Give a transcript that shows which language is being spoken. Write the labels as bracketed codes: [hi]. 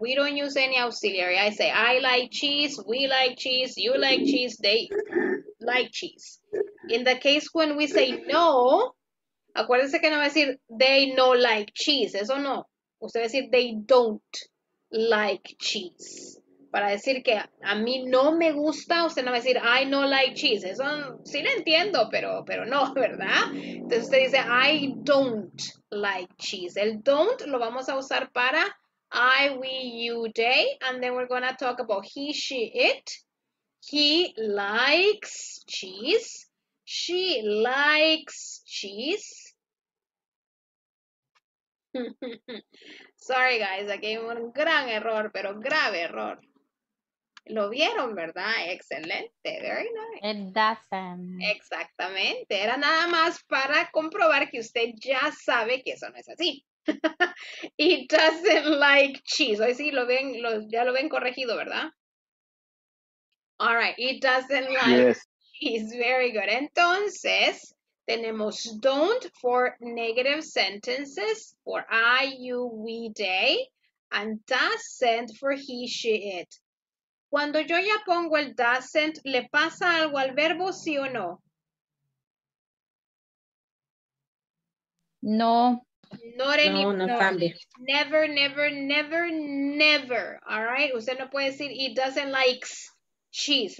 [en] We don't use any auxiliary. I say, I like cheese, we like cheese, you like cheese, they like cheese. In the case when we say no, [es] acuérdese que no va a decir, [en] they no like cheese, [es] eso no. Usted va a decir, [en] they don't like cheese. [es] Para decir que a mí no me gusta, usted no va a decir, [en] I no like cheese. [es] Eso sí lo entiendo, pero no, ¿verdad? Entonces usted dice, [en] I don't like cheese. [es] El don't lo vamos a usar para I, we, you, they. [en] And then we're going to talk about he, she, it. He likes cheese. She likes cheese. Sorry, guys. [es] Aquí hay un gran error, pero grave error. Lo vieron, ¿verdad? Excelente. [en] Very nice. It doesn't. [es] Exactamente. Era nada más para comprobar que usted ya sabe que eso no es así. [en] It doesn't like cheese. [es] Hoy sí lo ven, ya lo ven corregido, ¿verdad? [en] All right. It doesn't like cheese. Very good. [es] Entonces, tenemos [en] don't for negative sentences for I, you, we, they, and doesn't for he, she, it. [es] Cuando yo ya pongo el doesn't, ¿le pasa algo al verbo, sí o no? No. [en] Not any, [es] no, no cambia. [en] Never, never, never, never. All right? [es] Usted no puede decir, [en] it doesn't like cheese.